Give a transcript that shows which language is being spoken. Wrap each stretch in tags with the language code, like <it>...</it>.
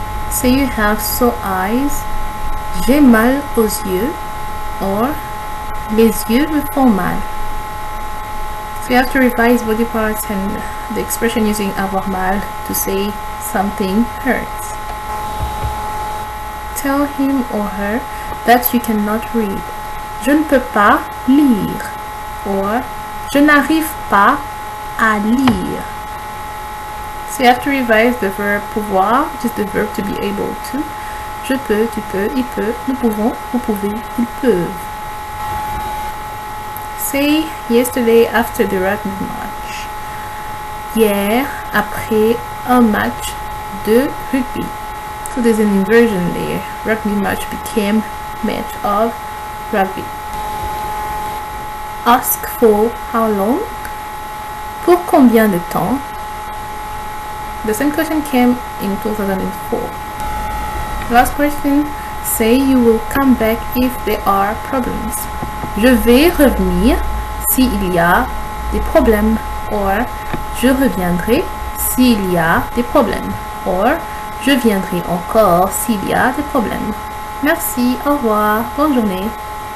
<en>Say you have sore eyes,</en> <fr>j'ai mal aux yeux,</fr> <en>or</en> <fr>les yeux me font mal.</fr> <en>So you have to revise body parts and the expression using</en> <fr>avoir mal</fr> <en>to say something hurts. Tell him or her that you cannot read.</en> <fr>Je ne peux pas lire, or je n'arrive pas à lire.</fr> <en>So you have to revise the verb pouvoir, which is the verb to be able to.</en> <fr>Je peux, tu peux, il peut, nous pouvons, vous pouvez, ils peuvent.</fr> <en>Say yesterday after the rugby match.</en> <fr>Hier après un match de rugby.</fr> <en>So there's an inversion there. Rugby match became match of rugby. Ask for how long?</en> <fr>Pour combien de temps?</fr> <en>The same question came in 2004. Last question, say you will come back if there are problems.</en> <fr>Je vais revenir s'il y a des problèmes, or je reviendrai s'il y a des problèmes, or je viendrai encore s'il y a des problèmes. Merci, au revoir, bonne journée.</fr>